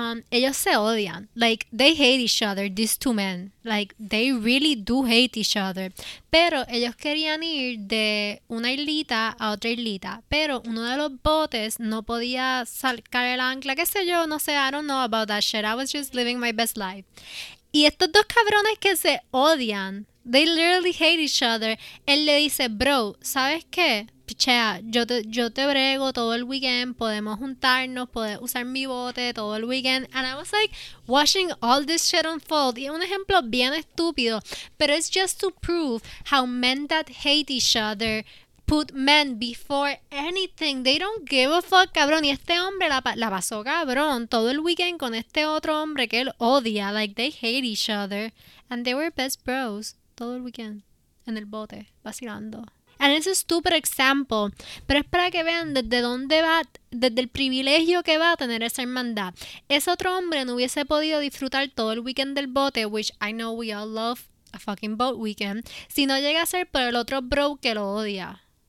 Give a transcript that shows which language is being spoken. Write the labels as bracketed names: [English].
[Spanish] Ellos se odian, like, [English] they hate each other, [Spanish] these two men, like, they really do hate each other, pero ellos querían ir de una islita a otra islita, pero uno de los botes no podía sacar el ancla, qué sé yo, no sé, [English] I don't know about that shit, I was just living my best life, [Spanish] y estos dos cabrones que se odian, [English] they literally hate each other, [Spanish] él le dice, bro, ¿sabes qué? pichea, yo te brego todo el weekend, podemos juntarnos, puedes usar mi bote todo el weekend. [English] And I was like, watching all this shit unfold. [Spanish] Y es un ejemplo bien estúpido, pero [English] it's just to prove how men that hate each other put men before anything. They don't give a fuck, cabrón. [Spanish] Y este hombre la pasó, cabrón, todo el weekend con este otro hombre que él odia. [English] Like, they hate each other. And they were best bros [Spanish] todo el weekend. En el bote, vacilando. [English] And it's a stupid example. [Spanish] Pero es para que vean desde dónde va, desde el privilegio que va a tener esa hermandad. Ese otro hombre no hubiese podido disfrutar todo el weekend del bote, [English] which I know we all love a fucking boat weekend, [Spanish] si no llega a ser por el otro bro que lo odia.